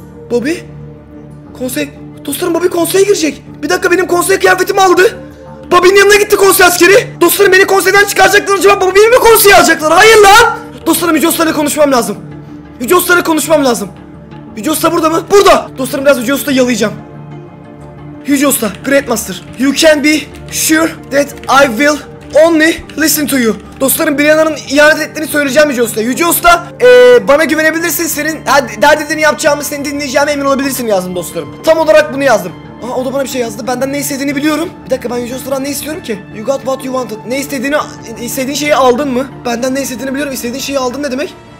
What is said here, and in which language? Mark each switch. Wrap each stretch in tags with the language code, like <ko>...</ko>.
<tr>Bobby? Konsey... Dostlarım Bobby konseye girecek. Bir dakika, benim konsey kıyafetimi aldı. Bobby'nin yanına gitti konsey askeri. Dostlarım beni konseyden çıkaracaklar, acaba Bobby'yi mi konseye alacaklar? Hayır lan! Dostlarım Yujiosta'yla konuşmam lazım. Yujiosta'yla konuşmam lazım. Yujiosta burada mı? Burada! Dostlarım biraz Yujiosta yalayacağım.</tr> <en>Yujiosta, Great Master, you can be sure that I will only listen to you.</en> <tr>Dostlarım Brianna'nın ihanet ettiğini söyleyeceğim Yujiosta. Yujiosta, bana güvenebilirsin, senin dert edeni yapacağımı, seni dinleyeceğime emin olabilirsin yazdım dostlarım. Tam olarak bunu yazdım. Aha o da bana bir şey yazdı, benden ne istediğini biliyorum. Bir dakika, ben Yujiosta'dan ne istiyorum ki?</tr> <en>You got what you wanted.</en> <tr>Ne istediğini, istediğin şeyi aldın mı? Benden ne istediğini biliyorum, istediğin şeyi aldın ne demek?</tr>